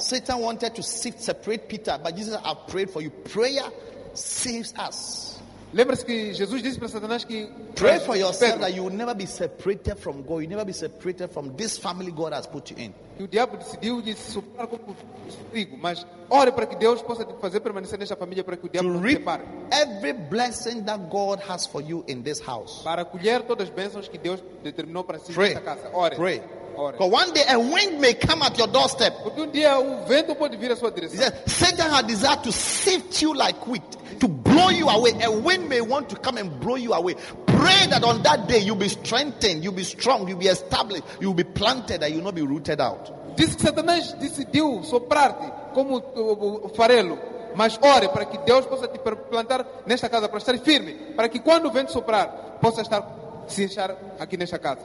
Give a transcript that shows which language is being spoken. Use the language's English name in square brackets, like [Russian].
[English] Satan wanted to separate Peter, but Jesus said, I've prayed for you. Prayer saves us. [Portuguese] Lembra-se que Jesus disse para Satanás que [English] pray for yourself that you will never be separated from God, you will never be separated from this family God has put you in. [Portuguese] E o diabo decidiu de se separar como trigo, mas ore para que Deus possa te fazer permanecer nesta família para que o diabo não te separe. [English] Every blessing that God has for you in this house. [Portuguese] Para colher todas as bênçãos que Deus determinou para si nesta casa. Ore. [English] Pray. Because one day a wind may come at your doorstep. He said, Satan had desired to sift you like wheat, to blow you away. A wind may want to come and blow you away. Pray that on that day you'll be strengthened, you'll be strong, you'll be established, you'll be planted, and you'll not be rooted out. [Portuguese] Diz que Satanás decidiu soprar-te como farelo. Mas ore para que Deus possa te plantar nesta casa, para estar firme, para que quando o vento soprar, possa estar se inchar aqui nesta casa.